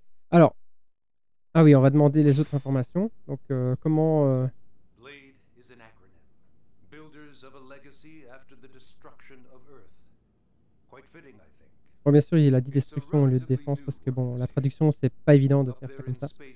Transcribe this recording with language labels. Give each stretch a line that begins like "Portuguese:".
French: Alors, ah oui, on va demander les autres informations. Donc, comment...
English: Blade is an acronym. Builders of a legacy after the destruction of Earth. Quite fitting, I think.
French: Bon, bien sûr, il a dit destruction au lieu de défense parce que, bon, la traduction, c'est pas évident de faire comme ça.